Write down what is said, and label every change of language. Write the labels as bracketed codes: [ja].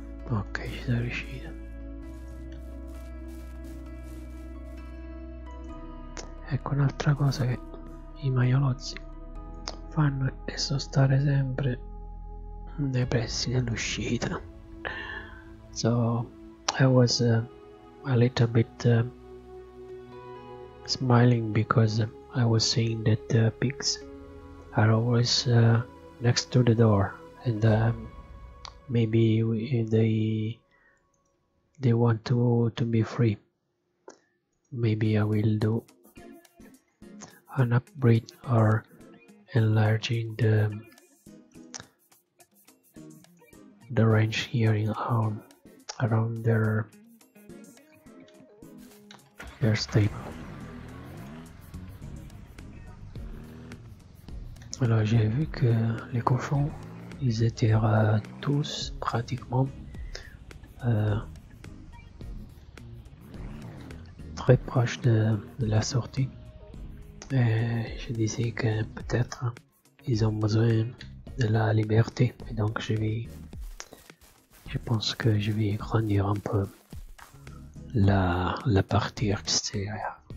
[it] Ok, ci sono riuscito. Ecco un'altra cosa che i maiolozzi fanno e sono stare sempre nei pressi dell'uscita. [en] So I was a little bit smiling because I was seeing that the pigs are always next to the door, and maybe they want to be free. Maybe I will do an upgrade or enlarging the range here in home around their stable. [fr] Alors j'ai vu que les cochons ils étaient tous pratiquement très proches de la sortie. Et je disais que peut-être ils ont besoin de la liberté, et donc je pense que je vais grandir un peu la partie extérieure.